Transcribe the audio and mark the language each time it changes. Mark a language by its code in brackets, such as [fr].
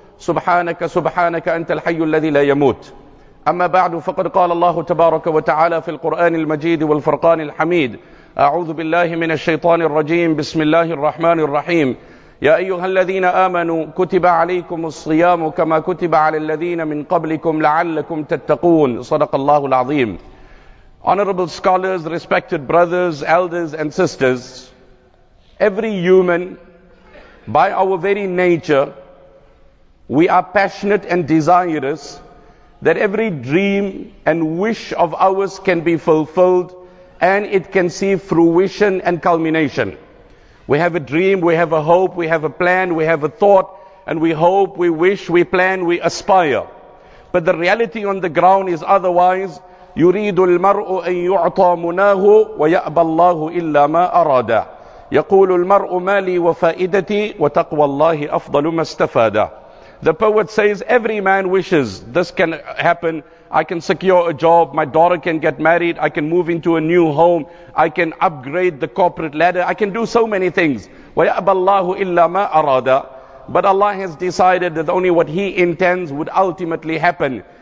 [ar] سبحانك سبحانك أنت الحي الذي لا يموت. أما بعد، فقد قال الله تبارك وتعالى في القرآن المجيد والفرقان الحميد، أعوذ بالله من الشيطان الرجيم، بسم الله الرحمن الرحيم. يا أيها الذين آمنوا كتب عليكم الصيام كما كتب على الذين من قبلكم لعلكم تتقون. صدق الله العظيم. [en] Honorable scholars, respected brothers, elders and sisters, every human, by our very nature, we are passionate and desirous that every dream and wish of ours can be fulfilled and it can see fruition and culmination. We have a dream, we have a hope, we have a plan, we have a thought, and we hope, we wish, we plan, we aspire. But the reality on the ground is otherwise. [ar] يريد المرء أن يعطى مناه ويأبى الله إلا ما أراد. يقول المرء ما لي وفائدتي وتقوى الله أفضل ما استفاد. [en] The poet says, every man wishes this can happen. I can secure a job, my daughter can get married, I can move into a new home, I can upgrade the corporate ladder, I can do so many things. [ar] ويأبى الله إلا ما أراد. [en] But Allah has decided that only what He intends would ultimately happen.